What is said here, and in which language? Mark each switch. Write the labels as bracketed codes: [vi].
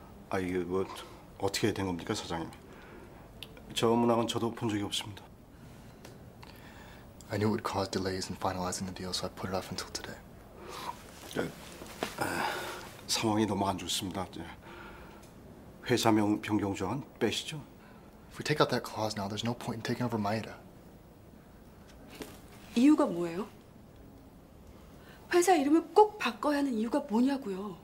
[ko] 아, 이게 뭐 어떻게 된 겁니까, 사장님? 저 문항은 저도 본 적이 없습니다. [en] I knew it would cause delays in finalizing the deal, so I put it off until today. [ko] 상황이 너무 안 좋습니다. 회사명 변경 조항 빼시죠. [en] If we take out that clause now, there's no point in taking over Maeda. [ko] 이유가 뭐예요? 회사 이름을 꼭 바꿔야 하는 이유가 뭐냐고요?